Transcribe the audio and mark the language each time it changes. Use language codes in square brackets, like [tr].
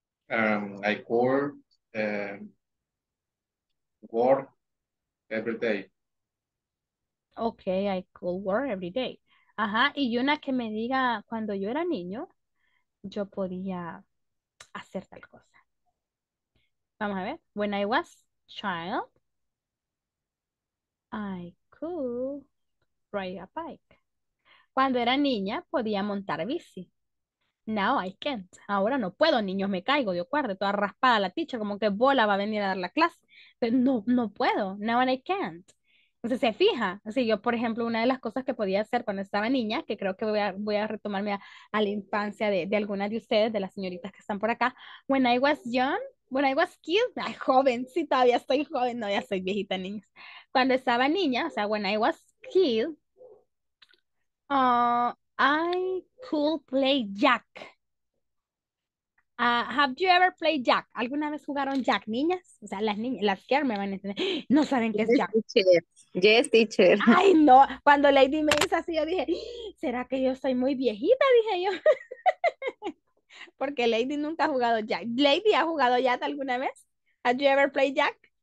[en] I call work every day. Okay, I call work every day. [es] Ajá, y una que me diga cuando yo era niño, yo podía hacer tal cosa. Vamos a ver. [en] When I was child, I could ride a bike. [es] Cuando era niña, podía montar bici. [en] Now I can't. [es] Ahora no puedo, niños, me caigo, yo acuerdo, toda raspada la teacher, como que bola va a venir a dar la clase. Pero no, no puedo. [en] Now I can't. [es] Entonces, se fija. Así yo, por ejemplo, una de las cosas que podía hacer cuando estaba niña, que creo que voy a retomarme a la infancia de algunas de ustedes, de las señoritas que están por acá. [en] When I was young, when I was kid, [es] ay, joven, sí, todavía estoy joven, no, ya soy viejita, niños. Cuando estaba niña, o sea, [en] when I was kid, I could play Jack. Have you ever played Jack? [es] ¿Alguna vez jugaron Jack, niñas? O sea, las niñas, las que me van a entender, no saben qué es Jack. [en] Yes, teacher. [es] Ay, no. Cuando Lady me hizo así, yo dije, ¿será que yo soy muy viejita? Dije yo. Porque Lady nunca ha jugado Jack. ¿Lady ha jugado Jack alguna vez? [en] ¿Have you ever played Jack?